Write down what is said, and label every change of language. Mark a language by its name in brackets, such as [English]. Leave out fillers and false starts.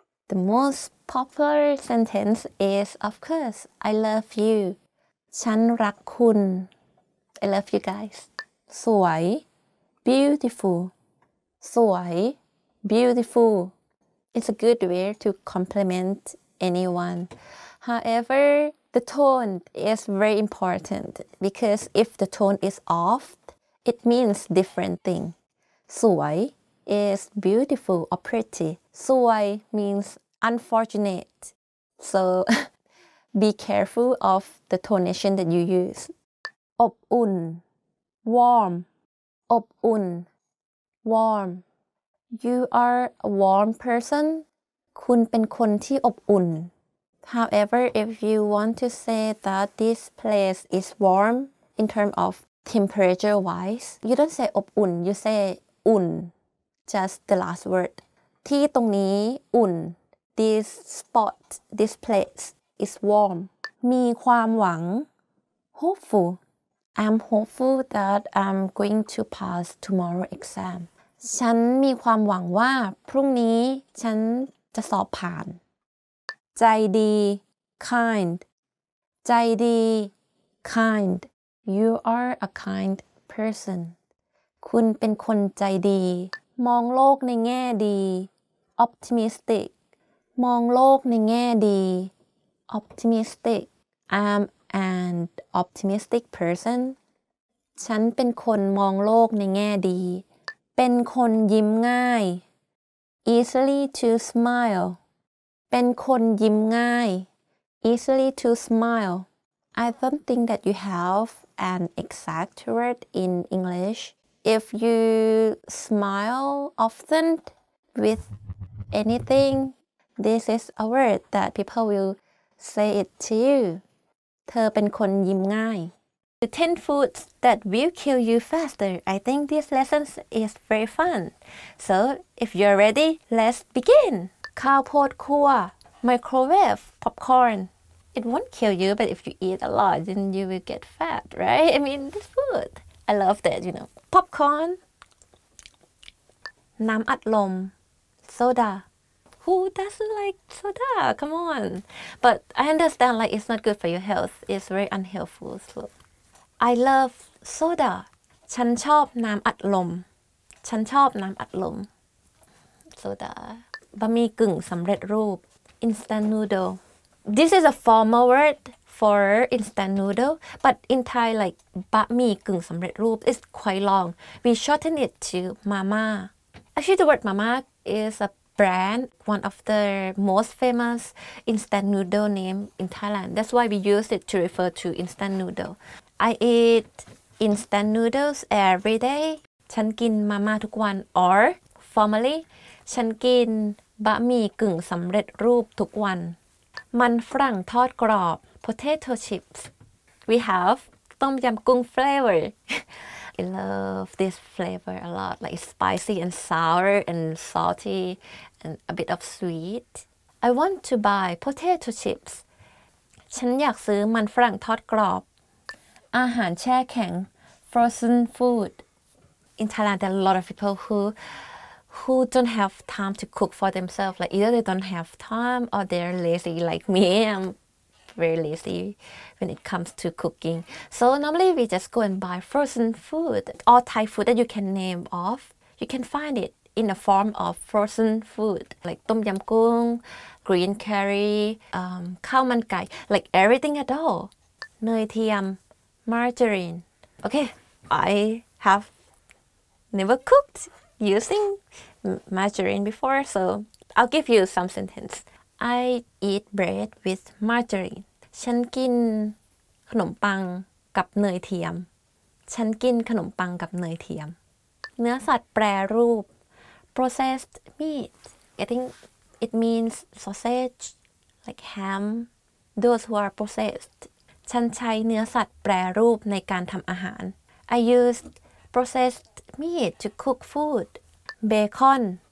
[English] the most popular sentence is of course I love you [Thai] ฉันรักคุณ [English] I love you guys สวย beautiful สวย beautifulIt's a good way to compliment anyone. However, the tone is very important because if the tone is off, it means different thing. สวย is beautiful or pretty. สวย means unfortunate. So be careful of the tonation that you use. [Thai] อบอุ่น warm. อบอุ่น warm. [English] You are a warm person. [Thai] คุณเป็นคนที่อบอุ่น [English] However, if you want to say that this place is warm in terms of temperature wise, you don't say อบอุ่น you say อุ่น just the last word. [Thai] ที่ตรงนี้อุ่น [English] This spot, this place is warm. [Thai] มีความหวัง Hopeful. [English] I'm hopeful that I'm going to pass tomorrow exam. [Thai] ฉันมีความหวังว่าพรุ่งนี้ฉันจะสอบผ่าน [English] ใจดี kind ใจดี kind you are a kind person [Thai] คุณเป็นคนใจดีมองโลกในแง่ดี [English] optimistic มองโลกในแง่ดี optimistic I'm an optimistic person [Thai] ฉันเป็นคนมองโลกในแง่ดีเป็นคนยิ้มง่าย [English] easily to smile [Thai] เป็นคนยิ้มง่าย [English] easily to smile I don't think that you have an exact word in English if you smile often with anything this is a word that people will say it to you [Thai] เธอเป็นคนยิ้มง่าย [English] The 10 foods that will kill you faster. I think this lesson is very fun. So, if you're ready, let's begin. ข้าวโพดคั่ว microwave, popcorn. It won't kill you, but if you eat a lot, then you will get fat, right? I mean, this food. I love that, you know. Popcorn. [Thai] น้ำอัดลม [English] soda. Who doesn't like soda? Come on. But I understand, like, it's not good for your health. It's very unhealthful, so... I love soda. [Thai] ฉันชอบน้ำอัดลม ฉันชอบน้ำอัดลม Soda. บะหมี่กึ่งสำเร็จรูป [English] Instant noodle. This is a formal word for instant noodle. But in Thai, like, บะหมี่กึ่งสำเร็จรูป is quite long. We shorten it to mama. Actually, the word mama is a brand, one of the most famous instant noodle name in Thailand. That's why we use it to refer to instant noodle. I eat instant noodles every day. [Thai] ฉันกินมาม่าทุกวัน or formally ฉันกินบะหมี่กึ่งสำเร็จรูปทุกวันมันฝรั่งทอดกรอบ potato chips [English] we have ต้มยำกุ้ง flavor I love this flavor a lot like spicy and sour and salty and a bit of sweet I want to buy potato chips [Thai] ฉันอยากซื้อมันฝรั่งทอดกรอบอาหารแช่แข็ง frozen food [English] in Thailand there are a lot of people who don't have time to cook for themselves like either they don't have time or they're lazy like me I'm very lazy when it comes to cooking so normally we just go and buy frozen food all Thai food that you can name off you can find it in the form of frozen food like ต้มยำกุ้ง green curry ข้าวมันไก่ like everything at all [Thai] เนยเทียมmargarine [English] okay I have never cooked using margarine before so I'll give you some sentence I eat bread with margarine [Thai] ฉันกินขนมปังกับเนยเทียมฉันกินขนมปังกับเนยเทียมเนื้อสัตว์แปรรูป processed meat [English] I think it means sausage like ham those who are processed [Thai] ฉันใช้เนื้อสัตว์แปรรูปในการทำอาหาร [English] I used processed meat to cook food bacon